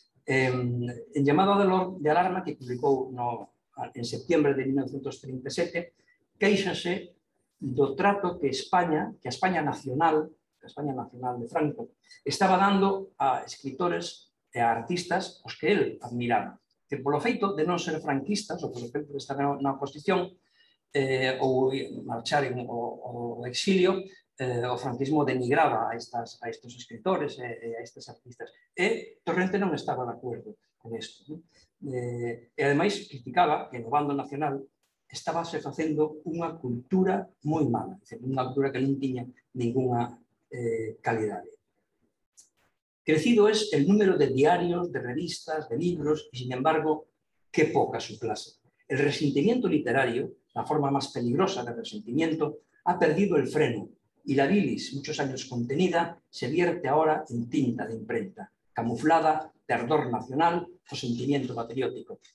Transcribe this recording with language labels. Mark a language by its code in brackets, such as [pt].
[gl] En Llamada de alarma, que publicó en septiembre de 1937, queixase do trato que España, que a España Nacional de Franco, estaba dando a escritores e a artistas os que él admiraba. Que por lo feito de non ser franquistas, ou por exemplo de estar na oposición, ou marchar en o exilio, o franquismo denigraba a estes escritores e a estes artistas. E Torrente non estaba de acuerdo con isto. E ademais criticaba que no bando nacional estábase facendo unha cultura moi mala, unha cultura que non tiña ninguna calidade. [es] Crecido es el número de diarios, de revistas, de libros, y sin embargo, qué poca su clase. El resentimiento literario, la forma más peligrosa de resentimiento, ha perdido el freno y la bilis, muchos años contenida, se vierte ahora en tinta de imprenta, camuflada de ardor nacional o sentimiento patriótico.